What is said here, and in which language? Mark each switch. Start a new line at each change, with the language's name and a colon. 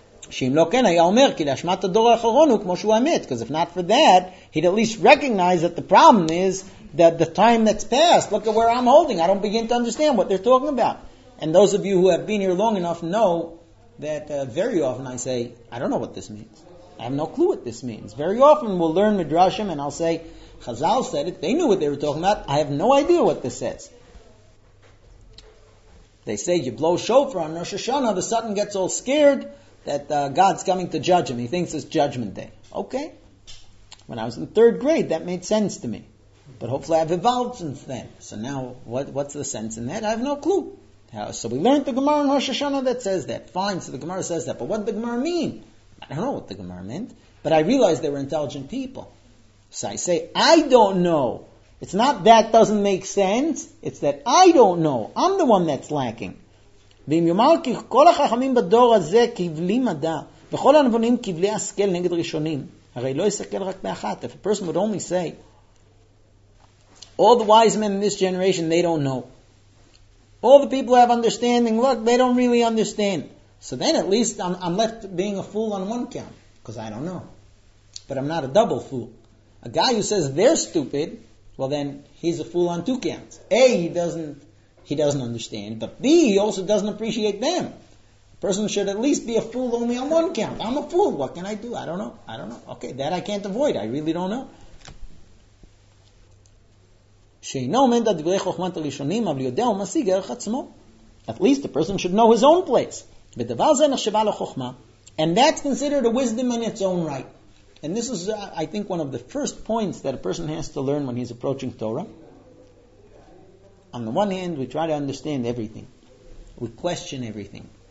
Hebrew: שאם לא כן, היה אומר, כי להשמת הדור האחרון הוא כמו שהוא אמת.
English: Because if not for that, he'd at least recognize that the problem is that the time that's passed, look at where I'm holding. I don't begin to understand what they're talking about. And those of you who have been here long enough know that very often I say, I don't know what this means. I have no clue what this means. Very often we'll learn Midrashim and I'll say, Chazal said it, they knew what they were talking about. I have no idea what this says. They say, you blow shofar on Rosh Hashanah, the Satan gets all scared that God's coming to judge him. He thinks it's judgment day. Okay. When I was in third grade, that made sense to me. But hopefully I've evolved since then. So now, what's the sense in that? I have no clue. So we learned the Gemara in Rosh Hashanah that says that. Fine, so the Gemara says that. But what did the Gemara mean? I don't know what the Gemara meant. But I realized they were intelligent people. So I say, I don't know. It's not that doesn't make sense. It's that I don't know. I'm the one that's lacking.
Hebrew: ואם יאמר כי כל החכמים בדור הזה קיבלו מדע, וכל הנבונים קיבלו השכל נגד ראשונים, הרי לא יסתכל רק באחת.
English: If a person would only say, all the wise men in this generation, they don't know. All the people who have understanding, look, they don't really understand. So then at least I'm left being a fool on one count, because I don't know. But I'm not a double fool. A guy who says they're stupid, well then, he's a fool on two counts. A, he doesn't understand, but B, he also doesn't appreciate them. A person should at least be a fool only on one count. I'm a fool, what can I do? I don't know. Okay, that I can't avoid, I really don't know.
Hebrew: שאינו עומד על דברי חוכמת הראשונים, אבל יודע הוא משיג ערך עצמו.
English: At least a person should know his own place.
Hebrew: ודבר זה נחשבה לחוכמה.
English: And that's considered a wisdom in its own right. And this is, I think, one of the first points that a person has to learn when he's approaching Torah. On the one hand, we try to understand everything. We question everything.